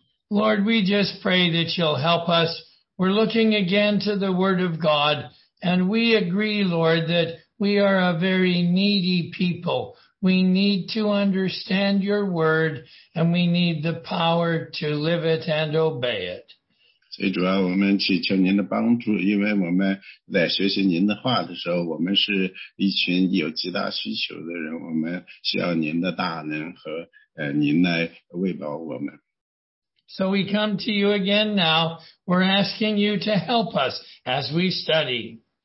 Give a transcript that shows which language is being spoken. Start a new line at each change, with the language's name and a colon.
English: Lord, we just pray that you'll help us. We're looking again to the Word of God, and we agree, Lord, that we are a very needy people. We need to understand your Word, and we need the power to live it and obey it.
Chinese: 所以主要我们去求您的帮助，因为我们在学习您的话的时候，我们是一群有极大需求的人，我们需要您的大能和您来喂饱我们。
English: So we come to you again now. We're asking you to help us as we study.